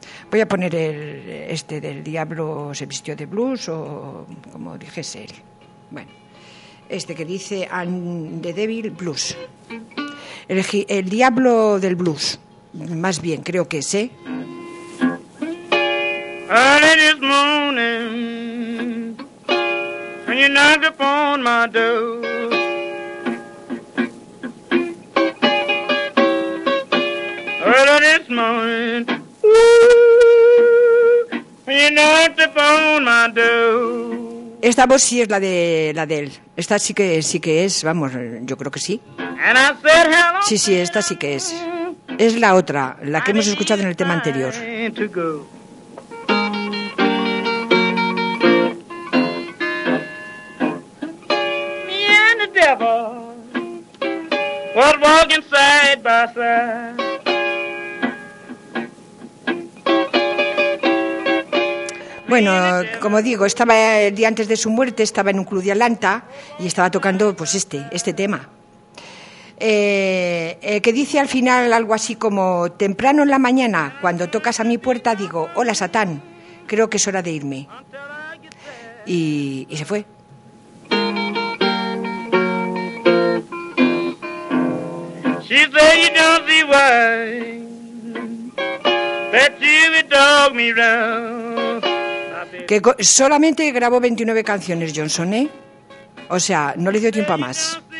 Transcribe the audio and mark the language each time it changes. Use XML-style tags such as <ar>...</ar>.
<es>Voy a poner este del Diablo se vistió de blues o como dijese él. Bueno, este que dice And the Devil Blues. El Diablo del Blues, más bien, creo que es, ¿eh?</es> <en>Early this morning, and you knocked upon my door. Early this morning, ooh, you knocked upon my door.</en> <es>Esta voz sí es la de él. Esta sí que es, vamos, yo creo que sí.</es> <en>And I said hello.</en> <es>Sí, sí, esta sí que es. Es la otra, la que hemos escuchado en el tema anterior.</es> <en>Me and the devil were walking side by side.</en> <es>Bueno, como digo, estaba el día antes de su muerte, estaba en un club de Atlanta y estaba tocando pues este tema. Que dice al final algo así como: temprano en la mañana, cuando tocas a mi puerta, digo, hola Satán, creo que es hora de irme. Y se fue.</es> <en>She said you don't see why, bet you would dog me round.</en> <es>Que solamente grabó 29 canciones Johnson, ¿eh? O sea, no le dio tiempo a más.</es>